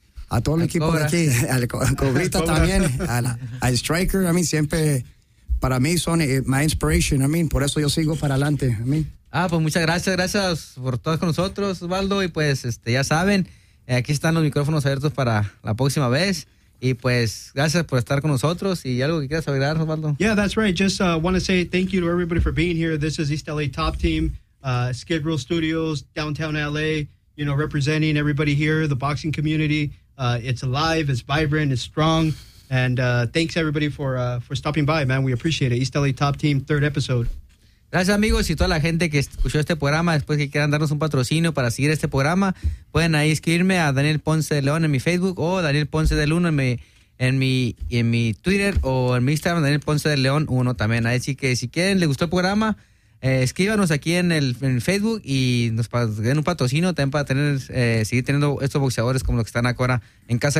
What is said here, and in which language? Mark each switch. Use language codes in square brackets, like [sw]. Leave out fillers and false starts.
[es] A todo el equipo de aquí, al Cobrita también, al Striker, a mí siempre, para mí son [en] my inspiration, [es] a mí, por eso yo sigo para adelante, a mí. Ah, pues muchas gracias por todos con nosotros, Osvaldo, y pues ya saben, aquí están los micrófonos abiertos para la próxima vez, y pues gracias por estar con nosotros, y algo que quieras agregar, Osvaldo. [en] Yeah, that's right, just want to say thank you to everybody for being here. This is East LA Top Team, Skid Row Studios, Downtown LA, you know, representing everybody here, the boxing community. It's alive, it's vibrant, it's strong. And thanks everybody for stopping by, man. We appreciate it. East LA Top Team, third episode. [es] Gracias, amigos, y toda la gente que escuchó este programa. Después que quieran darnos un patrocinio para seguir este programa, pueden ahí escribirme a Daniel Ponce de León en mi Facebook o Daniel Ponce de Luna en mi Twitter o en mi Instagram, Daniel Ponce de León 1 también. Así que si quieren, les gustó el programa, escríbanos aquí en Facebook y nos den un patrocinio también para seguir teniendo estos boxeadores como los que están ahora en casa.